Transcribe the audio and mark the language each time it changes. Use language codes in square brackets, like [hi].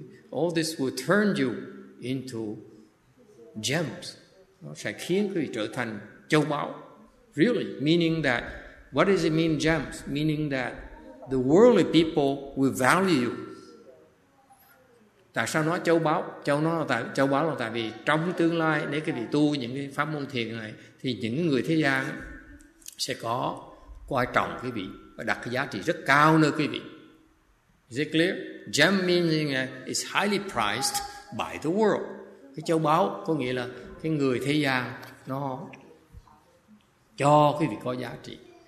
[en] All this will turn you into gems. [vi] Nó sẽ khiến quý vị trở thành châu báu. [en] Really, meaning that, what does it mean gems? Meaning that the worldly people will value you. [vi] Tại sao nói châu báu? Châu báu là tại vì trong tương lai, nếu quý vị tu những cái pháp môn thiền này, thì những người thế gian sẽ có coi trọng quý vị và đặt cái giá trị rất cao nơi quý vị. [en] Is it clear? Gem meaning is highly prized by the world. [vi] Cái châu báu có nghĩa là cái người thế gian nó cho quý vị có giá trị.